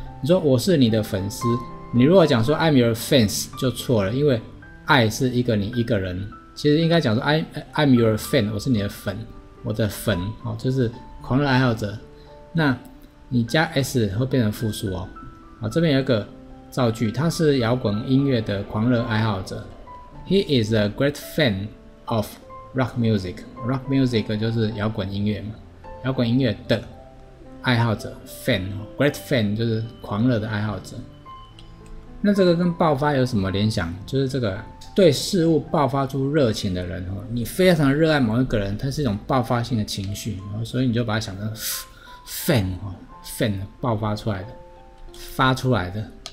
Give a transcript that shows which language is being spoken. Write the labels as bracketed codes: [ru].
[zh] 你说我是你的粉丝，你如果讲说 [en] I'm your fans [zh] 就错了，因为爱是一个你一个人，其实应该讲说 [en] I'm your fan， [zh] 我是你的粉，我的粉、哦、就是狂热爱好者。那你加 s 会变成复数哦。好，这边有一个造句，他是摇滚音乐的狂热爱好者。 [en] He is a great fan of rock music. Rock music [zh] 就是摇滚音乐嘛，摇滚音乐的爱好者 fan， great fan 就是狂热的爱好者。那这个跟爆发有什么联想？就是这个对事物爆发出热情的人，你非常热爱某一个人，它是一种爆发性的情绪，所以你就把它想成 fan 爆发出来的，发出来的。